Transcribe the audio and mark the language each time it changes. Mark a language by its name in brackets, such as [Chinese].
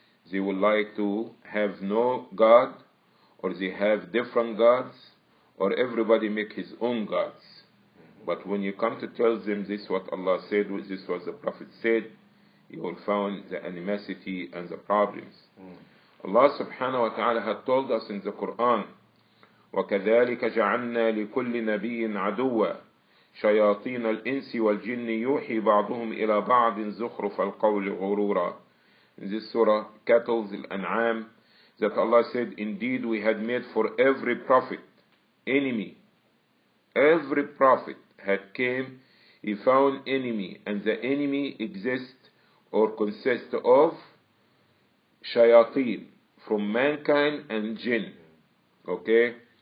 [English] They would like to have no God, or they have different gods, or everybody make his own gods. But when you come to tell them this is what Allah said, this is what the Prophet said, you will find the animosity and the problems. Allah subhanahu wa ta'ala had told us in the Quran, [Arabic] وَكَذَلِكَ جَعَلْنَا لِكُلِّ نَبِيٍّ عَدُوًّا شَيَاطِينَ الْإِنسِ وَالْجِنِّ يُوحِي بَعْضُهُمْ إِلَى بَعْضٍ زُخْرُفَ الْقَوْلِ غُرُورًا. [English] In this surah, cattle, al-an'am, that Allah said, indeed we had made for every prophet enemy. Every prophet had came, he found enemy, and the enemy exists or consists of shayateen, from mankind and jinn. Okay?